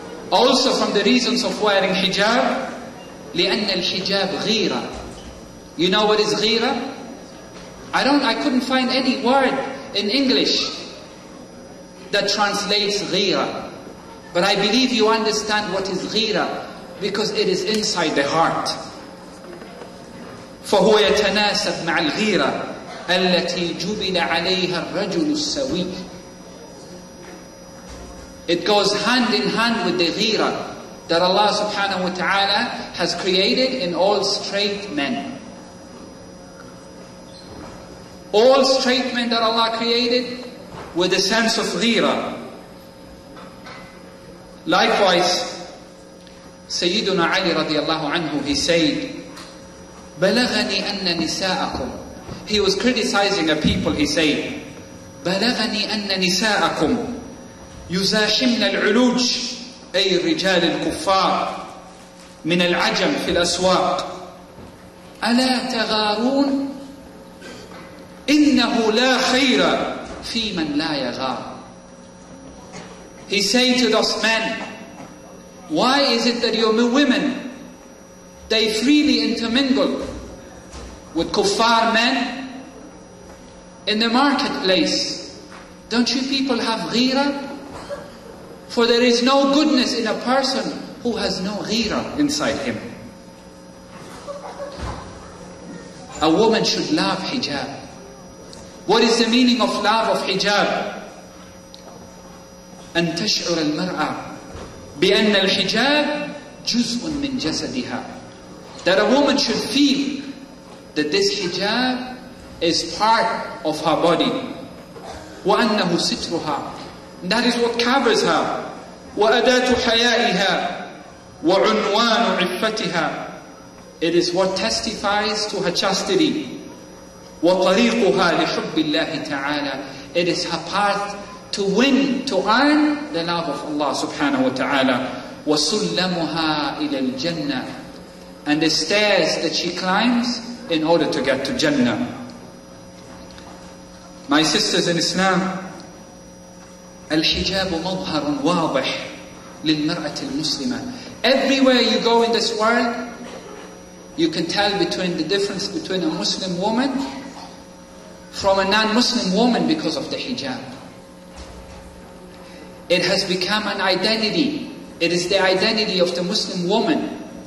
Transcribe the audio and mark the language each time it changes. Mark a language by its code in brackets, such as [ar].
[en] Also from the reasons of wearing hijab, [ar] لأن الحجاب غيرة. [en] You know what is غيرة? I couldn't find any word in English that translates غيرة. But I believe you understand what is غيرة, because it is inside the heart. [ar] فهو يتناسب مع الغيرة التي جبل عليها الرجل السوي. [en] It goes hand in hand with the ghira that Allah subhanahu wa ta'ala has created in all straight men. All straight men that Allah created with a sense of ghira. Likewise, Sayyiduna Ali radiallahu anhu, he said, [ar] بَلَغَنِي أَنَّ نِسَاءَكُمْ. [en] He was criticizing a people, he said, [ar] بَلَغَنِي أَنَّ نِسَاءَكُمْ يُزَاحِمْنَ الْعُلُوجِ أَيْ رِجَالِ الْكُفَّارِ مِنَ الْعَجَمْ فِي الْأَسْوَاقِ أَلَا تَغَارُونَ إِنَّهُ لَا خَيْرَ فِي مَنْ لَا يَغَارُ. [en] He said to those men, why is it that your women, they freely intermingle with kuffar men in the marketplace? Don't you people have ghira? For there is no goodness in a person who has no ghira inside him. A woman should love hijab. What is the meaning of love of hijab? [ar] أن تشعر المرأة بأن الحجاب جزء من جسدها. [en] That a woman should feel that this hijab is part of her body. [ar] وَأَنَّهُ سِتْرُهَا. [en] That is what covers her. [ar] وَأَدَاتُ حَيَائِهَا وَعُنْوَانُ عِفَّتِهَا. [en] It is what testifies to her chastity. [ar] وَطَرِيقُهَا لِحُبِّ اللَّهِ تَعَالَى. [en] It is her path to win, to earn the love of Allah subhanahu wa ta'ala. [ar] وَسُلَّمُهَا إِلَى الْجَنَّةِ. [en] and the stairs that she climbs in order to get to Jannah. My sisters in Islam, [ar] الحجاب مظهر واضح للمرأة المسلمة. [en] Everywhere you go in this world, you can tell between the difference between a Muslim woman from a non-Muslim woman because of the hijab. It has become an identity. It is the identity of the Muslim woman.